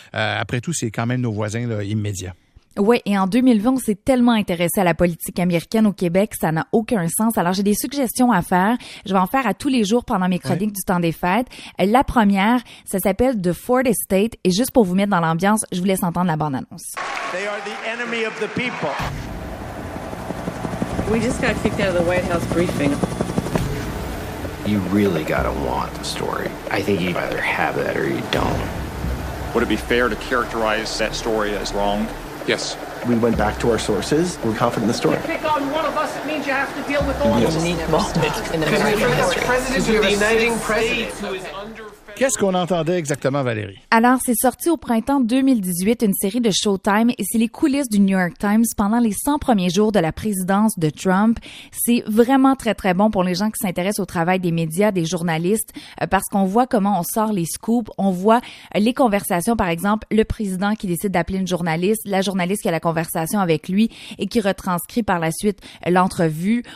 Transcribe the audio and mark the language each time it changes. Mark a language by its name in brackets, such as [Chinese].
[French] Après tout, c'est quand même nos voisins là, immédiats. Oui, et en 2020, on s'est tellement intéressé à la politique américaine au Québec, ça n'a aucun sens. Alors, j'ai des suggestions à faire. Je vais en faire à tous les jours pendant mes chroniques du temps des fêtes. La première, ça s'appelle The Ford Estate. Et juste pour vous mettre dans l'ambiance, je vous laisse entendre la bande-annonce. [English] They are the enemy of the people. We just got kicked out of the White House briefing. You really gotta want the story. I think you either have that or you don't. Would it be fair to characterize that story as wrong? Yes. We went back to our sources. We're confident in the story. You pick on one of us, it means you have to deal with all of us. Unique moment in American history. President of the United States who is under... [French] Qu'est-ce qu'on entendait exactement, Valérie? Alors, c'est sorti au printemps 2018, une série de Showtime, et c'est les coulisses du New York Times pendant les 100 premiers jours de la présidence de Trump. C'est vraiment très, très bon pour les gens qui s'intéressent au travail des médias, des journalistes, parce qu'on voit comment on sort les scoops, on voit les conversations, par exemple, le président qui décide d'appeler une journaliste, la journaliste qui a la conversation avec lui et qui retranscrit par la suite l'entrevue.